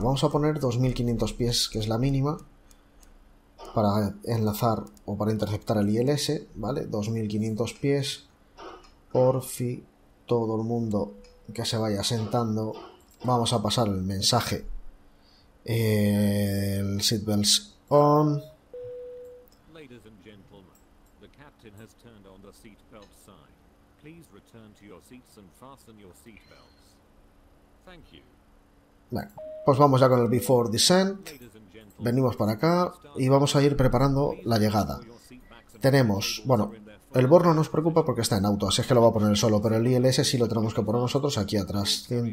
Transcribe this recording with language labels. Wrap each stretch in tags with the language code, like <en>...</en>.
<es>Vamos a poner 2500 pies, que es la mínima, para enlazar o para interceptar el ILS, ¿vale? 2500 pies. Porfi, todo el mundo que se vaya sentando. Vamos a pasar el mensaje. El seatbelts on.</es> <en>Ladies and gentlemen, the captain has turned on the seatbelt sign. Please return to your seats and fasten your seatbelts. Thank you.</en> <es>Bueno, pues vamos ya con el before descent. Venimos para acá y vamos a ir preparando la llegada. Tenemos, bueno, el borno no nos preocupa porque está en auto, así es que lo va a poner solo, pero el ILS sí lo tenemos que poner nosotros aquí atrás.</es>